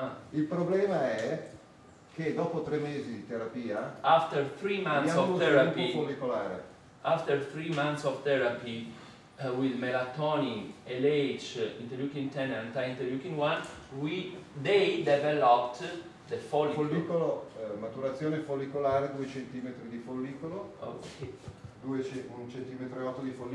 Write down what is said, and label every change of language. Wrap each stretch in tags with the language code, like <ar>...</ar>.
<it>Il problema è che dopo 3 mesi di terapia,</it> <en>after 3 months of therapy,</en> <it>follicolare.</it> <en>After 3 months of therapy, with melatonin, LH, interleukin 10 and anti-interleukin 1, they developed the follicle.</en> <it>Follicolo, maturazione follicolare, 2 cm di follicolo, 1,8 cm di follicolo,</it>